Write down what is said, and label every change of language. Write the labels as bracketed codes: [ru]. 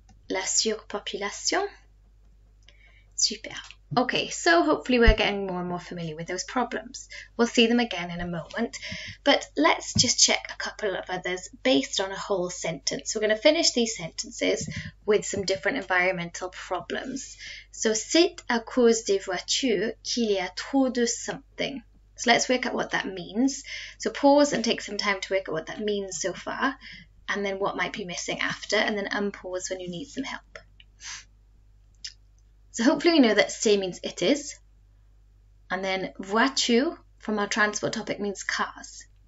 [fr] La surpopulation. Super. [en] Okay, so hopefully we're getting more and more familiar with those problems. We'll see them again in a moment, but let's just check a couple of others based on a whole sentence. So we're going to finish these sentences with some different environmental problems. So [fr] c'est à cause des voitures qu'il y a trop de [en] something. So let's work out what that means. So pause and take some time to work out what that means so far, and then what might be missing after, and then unpause when you need some help. So hopefully we know that c'est means it is, and then voiture from our transport topic means cars.